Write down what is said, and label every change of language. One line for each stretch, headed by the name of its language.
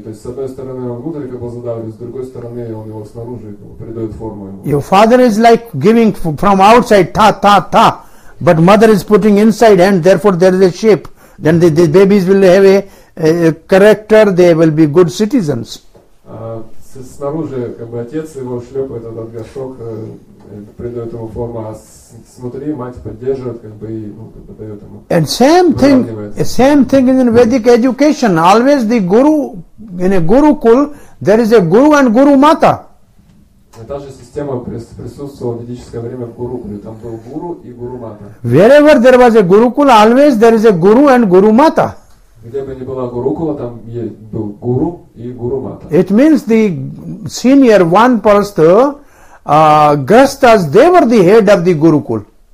Russian: То есть, с одной стороны, он внутрь как бы задавлен, с другой стороны, он его снаружи придает форму ему.
English: Your father is like giving from outside, ta, ta, ta. But mother is putting inside and therefore there is a shape. Then the babies will have a character, they will be good citizens.
Russian: Снаружи, как бы, отец его шлепает этот горшок, придает ему форму, а внутри мать поддерживает, как бы, и, ну, как бы, дает ему.
English: And same thing in Vedic education. Always the guru, in a gurukul, there is a guru and guru mata.
Russian: И та же система присутствовала в ведическое время в гурукуле. Там был гуру и гуру мата.
English: Wherever there was a gurukul, always there is a guru and guru mata.
Russian: Где бы ни была гурукула, там был гуру и гуру мата.
English: It means the senior one person, grastas, they were the head of the gurukul.